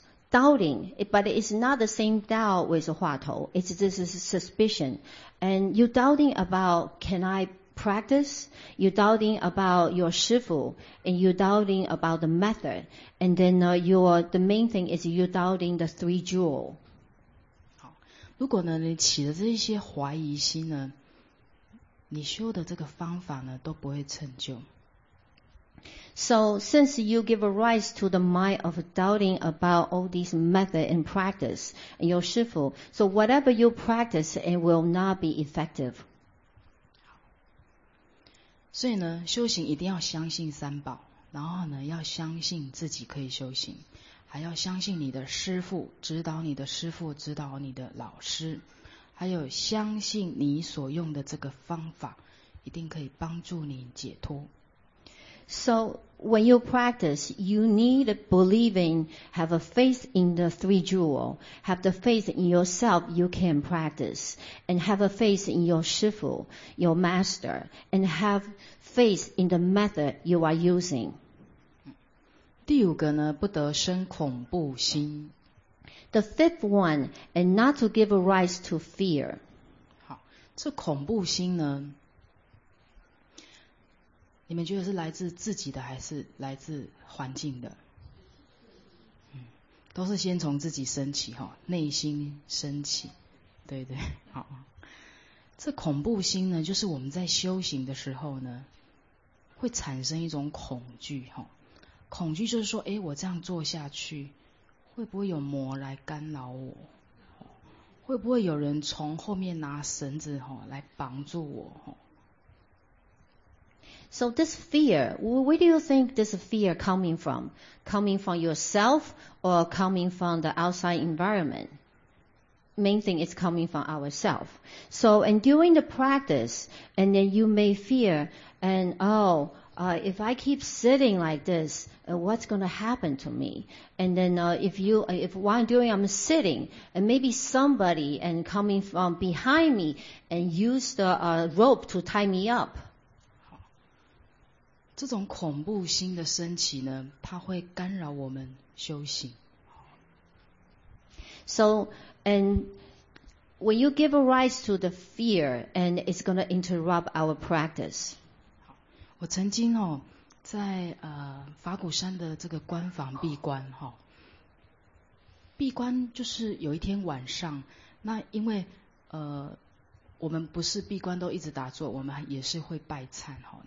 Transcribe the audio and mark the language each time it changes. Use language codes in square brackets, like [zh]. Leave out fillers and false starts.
[en] Doubting, but it's not the same doubt with the 话头. It's just a suspicion. And you're doubting about, can I practice? You're doubting about your 师父, and you're doubting about the method. And then the main thing is you're doubting the three jewel. [zh] 好，如果呢，你起了这些怀疑心呢，你修的这个方法呢，都不会成就。 [en] So since you give a rise to the mind of doubting about all these methods and practice and your 师父, so whatever you practice, it will not be effective. [zh] 所以呢，修行一定要相信三宝，然后呢，要相信自己可以修行，还要相信你的师父，指导你的师父，指导你的老师，还有相信你所用的这个方法，一定可以帮助你解脱。 [en] So when you practice, you need believing, have a faith in the three jewel, have the faith in yourself, you can practice, and have a faith in your 师父, your master, and have faith in the method you are using. [zh] 第五个呢，不得生恐怖心。 [en] The fifth one, and not to give a rise to fear. [zh] 好，这恐怖心呢，你们觉得是来自自己的还是来自环境的？都是先从自己升起，内心升起，对对，好。这恐怖心呢，就是我们在修行的时候呢，会产生一种恐惧，恐惧就是说，哎，我这样做下去，会不会有魔来干扰我？会不会有人从后面拿绳子，来绑住我？ [en] So this fear, where do you think this fear coming from? Coming from yourself or coming from the outside environment? Main thing is coming from ourselves. So, and during the practice, and then you may fear, and if I keep sitting like this, what's going to happen to me? And then while I'm sitting, and maybe somebody and coming from behind me and use the rope to tie me up, [zh] 这种恐怖心的升起呢，它会干扰我们修行。 [en] So, and when you give a rise to the fear, and it's going to interrupt our practice. [zh] 好，我曾经哦，在法鼓山的这个官房闭关哈、哦，闭关就是有一天晚上，那因为我们不是闭关都一直打坐，我们也是会拜忏哈。